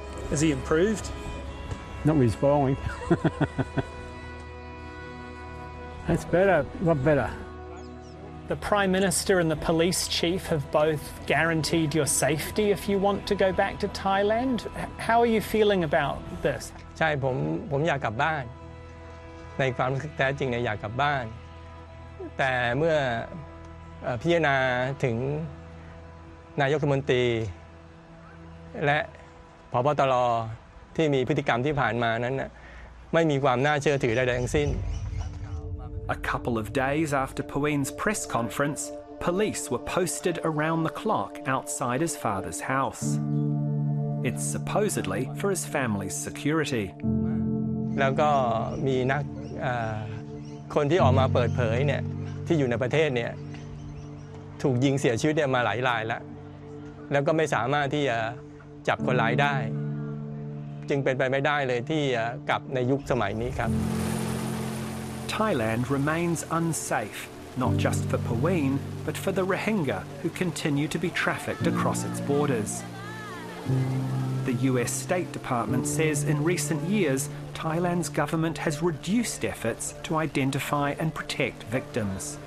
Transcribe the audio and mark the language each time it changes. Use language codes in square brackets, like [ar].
[en] Has he improved? Not with his bowling. That's better, a lot better. The Prime Minister and the Police Chief have both guaranteed your safety if you want to go back to Thailand. How are you feeling about this? [th] ใช่ผมอยากกลับบ้านในความแท้จริงเนี่ยอยากกลับบ้านแต่เมื่อพิจารณาถึงนายกรัฐมนตรีและผบ.ตร. ที่มีพฤติกรรมที่ผ่านมานั้นไม่มีความน่าเชื่อถือใดๆทั้งสิ้น [en] A couple of days after Pauline's press conference, police were posted around the clock outside his father's house. It's supposedly for his family's security. [th] แล้วก็มีนักคนที่ออกมาเปิดเผยเนี่ยที่อยู่ในประเทศเนี่ยถูกยิงเสียชีวิตเนี่ยมาหลายรายแล้วแล้วก็ไม่สามารถที่จะจับคนร้ายได้จึงเป็นไปไม่ได้เลยที่จะกลับในยุคสมัยนี้ครับ [en] Thailand remains unsafe not just for Pauin but for the Rohingya who continue to be trafficked across its bordersThe US State Department says in recent years, Thailand's government has reduced efforts to identify and protect victims.